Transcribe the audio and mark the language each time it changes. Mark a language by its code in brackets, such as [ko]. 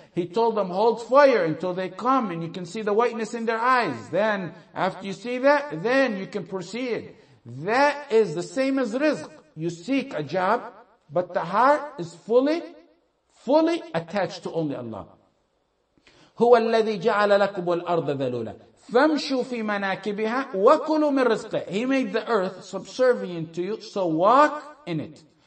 [en] He told them, hold fire until they come and you can see the whiteness in their eyes. Then after you see that, then you can proceed. That is the same as rizq. You seek a job, but the heart is fully, fully attached to only Allah. [ar] هو الذي جعل لكم الأرض ذلولا فامشوا في مناكبها وكلوا من رزقه. [en] He made the earth subservient to you, so walk in it.